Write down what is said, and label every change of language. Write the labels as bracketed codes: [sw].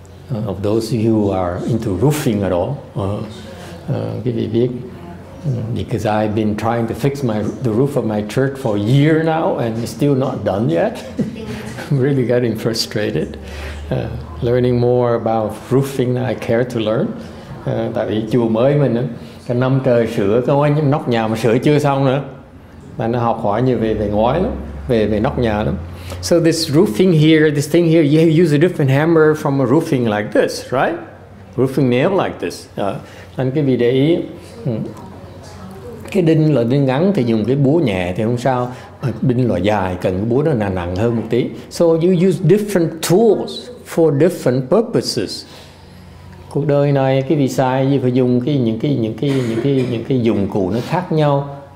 [en] Of those who are into roofing at all. [vi] Cái gì biết? [en] Because I've been trying to fix the roof of my church for a year now and it's still not done yet. I'm really getting frustrated. Learning more about roofing than I care to learn. [vi] Tại vì chùa mới mình cái năm trời sửa cái ngói nóc nhà mà sửa chưa xong nữa. Mà nó học hỏi nhiều về ngói lắm, về nóc nhà lắm. [en] So this roofing here, this thing here, you use a different hammer from a roofing like this, right? Roofing nail like this. [vi] Nên cái vị để ý, cái đinh loại đinh ngắn thì dùng cái búa nhẹ thì không sao. Đinh loại dài cần cái búa nó nặng hơn một tí. [en] So you use different tools for different purposes. [vi] Cuộc đời này cái vị sai gì phải dùng cái những cái dụng cụ nó khác nhau.